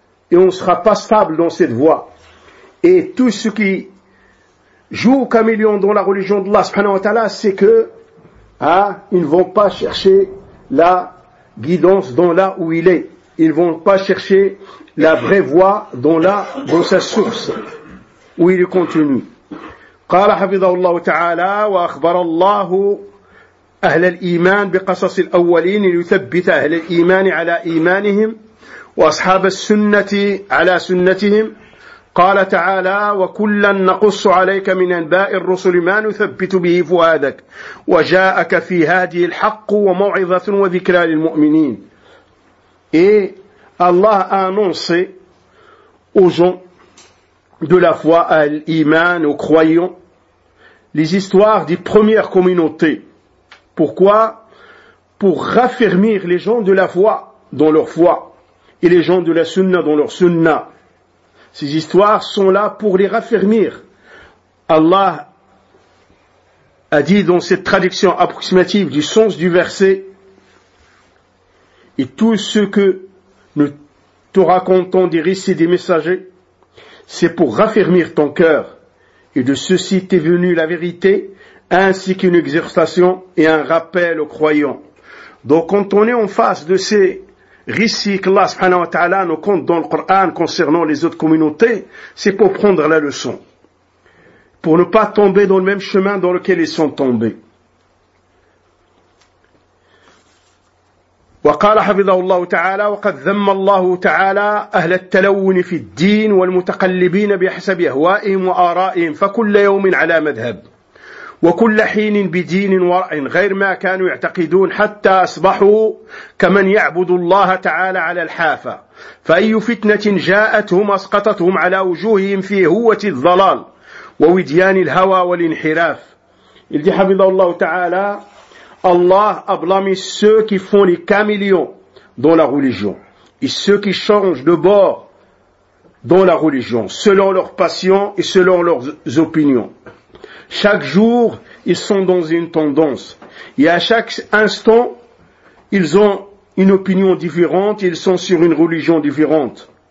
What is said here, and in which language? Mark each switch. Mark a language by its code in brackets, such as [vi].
[fr] Et on ne sera pas stable dans cette voie. Et tout ce qui joue au chameleon dans la religion d'Allah, subhanahu wa ta'ala, c'est que, ils ne vont pas chercher la guidance dans là où il est. Ils ne vont pas chercher la vraie voie dans là, dans sa source, où il continue. [ar] قال حفظه الله تعالى وأخبر الله أهل الإيمان بقصص الأولين ليثبت أهل الإيمان على إيمانهم وأصحاب السنة على سنتهم. قال تعالى وكلا نقص عليك من أنباء الرسل ما نثبت به فؤادك وجاءك في هذه الحق وموعظة وذكرى للمؤمنين. [fr] Et الله a annoncé aux gens de la foi, à l'iman, aux croyants, les histoires des premières communautés. Pourquoi? Pour raffermir les gens de la foi dans leur foi et les gens de la sunna dans leur sunna. Ces histoires sont là pour les raffermir. Allah a dit dans cette traduction approximative du sens du verset, et tout ce que nous te racontons des récits des messagers, c'est pour raffermir ton cœur, et de ceci t'est venue la vérité, ainsi qu'une exhortation et un rappel aux croyants. Donc quand on est en face de ces récits qu'Allah subhanahu wa ta'ala nous compte dans le Coran concernant les autres communautés, c'est pour prendre la leçon, pour ne pas tomber dans le même chemin dans lequel ils sont tombés. [ar] وقال حفظه الله تعالى وقد ذم الله تعالى أهل التلون في الدين والمتقلبين بحسب أهوائهم وآرائهم فكل يوم على مذهب وكل حين بدين ورأي غير ما كانوا يعتقدون حتى أصبحوا كمن يعبد الله تعالى على الحافة فأي فتنة جاءتهم أسقطتهم على وجوههم في هوة الضلال ووديان الهوى والانحراف. إذ حفظه الله تعالى [fr] Allah a blâmé ceux qui font les caméléons dans la religion et ceux qui changent de bord dans la religion selon leurs passions et selon leurs opinions. Chaque jour, ils sont dans une tendance et à chaque instant, ils ont une opinion différente, ils sont sur une religion différente.